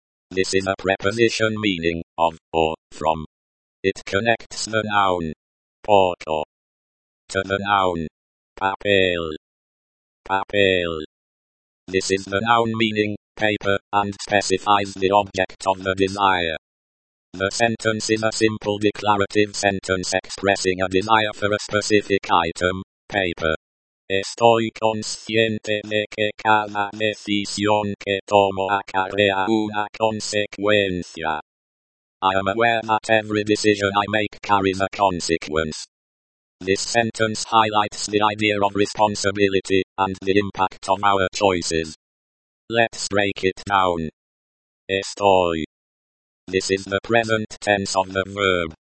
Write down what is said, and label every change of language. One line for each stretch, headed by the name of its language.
English: This is a preposition meaning of or from. It connects the noun poco to the noun. Papel. Papel. This is the noun meaning paper and specifies the object of the desire. The sentence is a simple declarative sentence expressing a desire for a specific item, paper.
Spanish: Estoy consciente de que cada decisión que tomo acarrea una consecuencia.
English: I am aware that every decision I make carries a consequence. This sentence highlights the idea of responsibility and the impact of our choices. Let's break it down.
Spanish: Estoy.
English: This is the present tense of the verb.